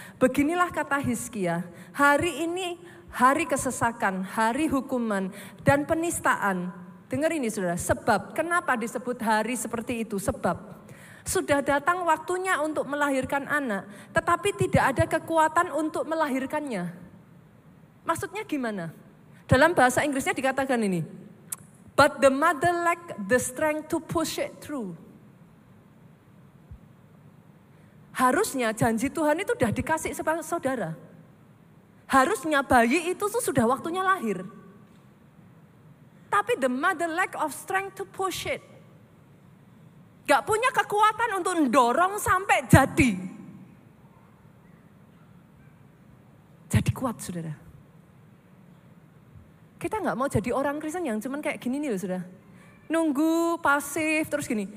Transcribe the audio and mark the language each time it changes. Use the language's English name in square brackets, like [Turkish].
[Indonesian] Beginilah kata Hizkia. Hari ini hari kesesakan, hari hukuman dan penistaan. Dengar ini, saudara. Sebab, kenapa disebut hari seperti itu? Sebab, sudah datang waktunya untuk melahirkan anak. Tetapi tidak ada kekuatan untuk melahirkannya. Maksudnya gimana? Dalam bahasa Inggrisnya dikatakan ini. [English] But the mother lacked the strength to push it through. [Indonesian] Harusnya janji Tuhan itu sudah dikasih sama saudara. Harusnya bayi itu sudah waktunya lahir. Tapi [English] the mother lacked of strength to push it. [Indonesian] Gak punya kekuatan untuk mendorong sampai jadi. Jadi kuat, saudara. Kita gak mau jadi orang Kristen yang cuman kayak gini nih loh, saudara. Nunggu, pasif, terus gini.